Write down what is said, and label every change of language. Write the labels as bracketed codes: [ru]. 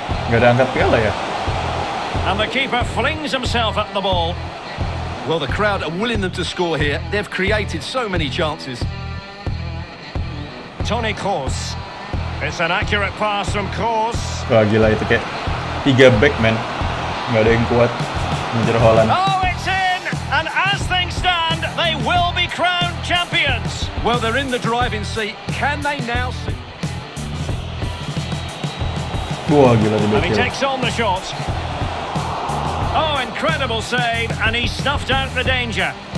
[id] Gak ada angkat piala ya. [en] And the keeper flings himself at the ball. Well, the crowd are willing them to score here. They've created so many chances. Toni Kroos. It's an accurate pass from Kroos. [id] Wah, gila itu kayak tiga back, man. Nggak ada yang kuat ngejar Haaland. [en] Oh, it's in! And as things stand, they will be crowned champions. Well, they're in the driving seat. Can they now see? [id] Wah, gila itu. [en] And he takes on the shot. Oh, incredible save, and he snuffed out the danger.